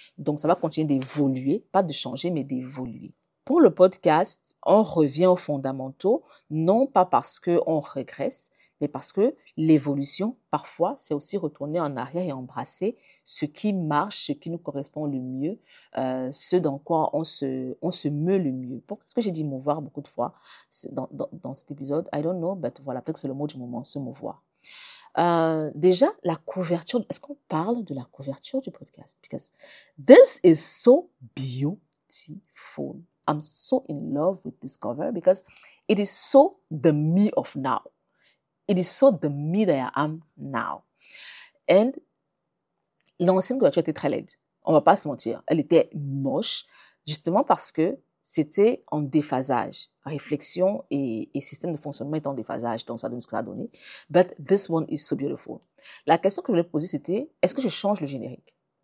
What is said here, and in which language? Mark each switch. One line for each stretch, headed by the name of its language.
French: Donc, ça va continuer d'évoluer, pas de changer, mais d'évoluer. Pour le podcast, on revient aux fondamentaux, non pas parce qu'on régresse, mais parce que l'évolution, parfois, c'est aussi retourner en arrière et embrasser ce qui marche, ce qui nous correspond le mieux, ce dans quoi on se meut le mieux. Pourquoi est-ce que j'ai dit mouvoir beaucoup de fois dans cet épisode?
English: I don't know, but
French: voilà, peut-être que c'est le mot du moment, se mouvoir. Déjà, la couverture, est-ce qu'on parle de la couverture du podcast?
English: Because this is so beautiful. I'm so in love with this cover because it is so the me of now. It is so the me that I am now. And
French: l'ancienne couverture était très laide. On ne va pas se mentir. Elle était moche, justement parce que c'était en déphasage. Réflexion et système de fonctionnement étaient en déphasage, donc ça donne ce que ça a donné.
English: But this one is so beautiful.
French: La question que je voulais poser, c'était, est-ce que je change le générique?